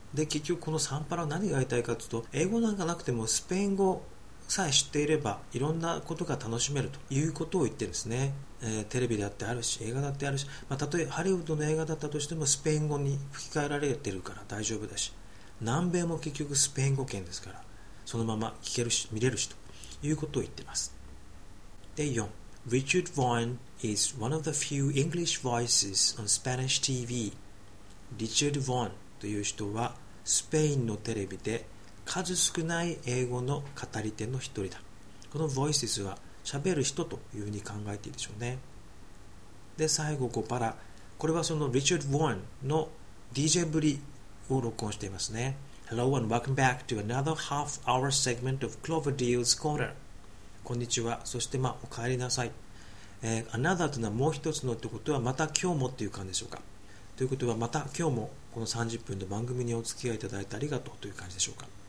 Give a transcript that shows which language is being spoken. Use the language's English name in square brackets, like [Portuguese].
[Japanese] で、結局このサンパラは何が言いたいかというと、英語なんかなくてもスペイン語さえ知っていればいろんなことが楽しめるということを言ってるんですね。テレビであってあるし映画だってあるし、まあ、例えばハリウッドの映画だったとしてもスペイン語に吹き替えられてるから大丈夫だし、南米も結局スペイン語圏ですからそのまま聞けるし見れるしということを言ってます。 [English] で4 Richard Vaughn is one of the few English voices on Spanish TV. [Japanese] Richard Vaughn という人はスペインのテレビで数少ない英語の語り手の一人だ。この voices は喋る人というふうに考えていいでしょうね。で最後5パラ、これはその Richard Vaughn の DJ ぶりを録音していますね。 [English] Hello and welcome back to another half hour segment of Cloverdale's Corner. [Japanese] こんにちは、そしてまあお帰りなさい、Another というのはもう一つのということはまた今日もという感じでしょうか。ということはまた今日もこの30分の番組にお付き合いいただいてありがとうという感じでしょうか。